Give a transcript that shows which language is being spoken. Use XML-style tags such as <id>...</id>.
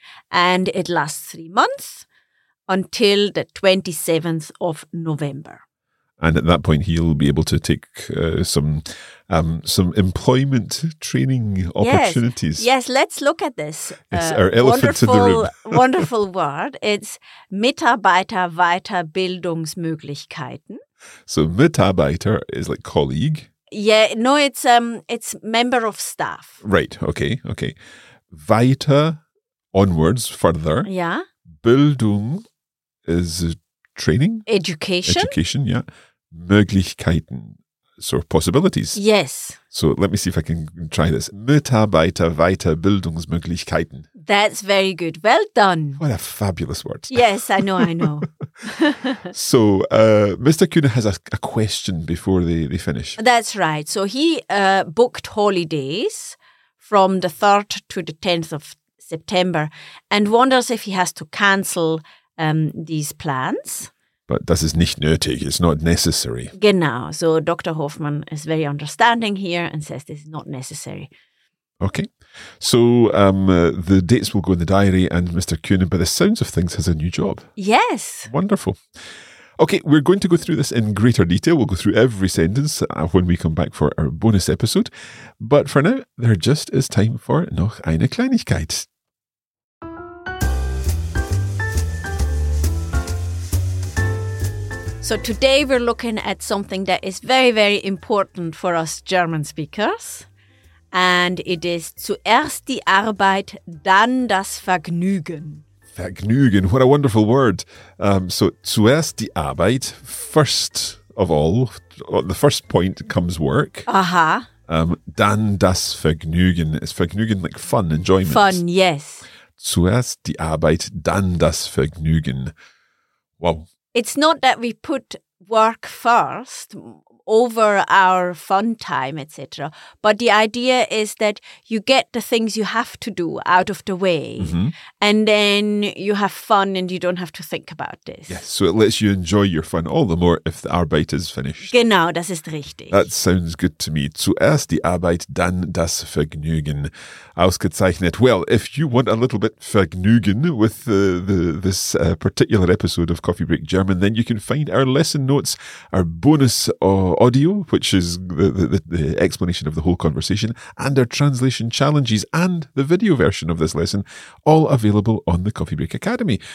<en>And it lasts 3 months until the 27th of November. And at that point, he'll be able to take some employment training opportunities. Yes, let's look at this. It's our elephant in the room. Wonderful word. It's Mitarbeiter-Weiterbildungsmöglichkeiten. So Mitarbeiter is like colleague. Yeah, no, it's member of staff. Right, okay. Weiter, onwards, further. Yeah. Bildung is training. Education. Education, yeah. Möglichkeiten. sort of possibilities. Yes. So let me see if I can try this.</en> <de>Mitarbeiter Weiterbildungsmöglichkeiten.</de> <en>That's very good. Well done. What a fabulous word. Yes, I know, I know. So Mr. Kuhne has a question before they finish. That's right. So he booked holidays from the 3rd to the 10th of September and wonders if he has to cancel these plans.</en> <de>But das ist nicht nötig,</de> <en>it's not necessary.</en> <de>Genau, so Dr.</de> <en>Hoffmann is very understanding here and says this is not necessary. Okay, so the dates will go in the diary and Mr. Kuhne, by the sounds of things, has a new job. Yes. Wonderful. Okay, we're going to go through this in greater detail. We'll go through every sentence when we come back for our bonus episode. But for now, there just is time for</en> <de>noch eine Kleinigkeit.</de> <en>So today we're looking at something that is very, very important for us German speakers. And it is</en> <de>zuerst die Arbeit, dann das Vergnügen.</de> <en>Vergnügen, what a wonderful word. So</en> <de>zuerst die Arbeit,</de> <en>first of all, the first point comes work. Aha.</en> <de>Dann das Vergnügen.</de> <en>Is Vergnügen like fun, enjoyment? Fun, yes.</en> <de>Zuerst die Arbeit, dann das Vergnügen.</de> <en>Wow. It's not that we put work first over our fun time, etc. But the idea is that you get the things you have to do out of the way, mm-hmm. and then you have fun and you don't have to think about this. Yes, so it lets you enjoy your fun all the more if the Arbeit is finished.</en> <de>Genau, das ist richtig.</de> <en>That sounds good to me.</en> <de>Zuerst die Arbeit, dann das Vergnügen. Ausgezeichnet.</de> <en>Well, if you want a little bit Vergnügen with this particular episode of Coffee Break German, then you can find our lesson notes, our bonus of audio, which is the explanation of the whole conversation, and our translation challenges and the video version of this lesson, all available on the Coffee Break Academy.</en>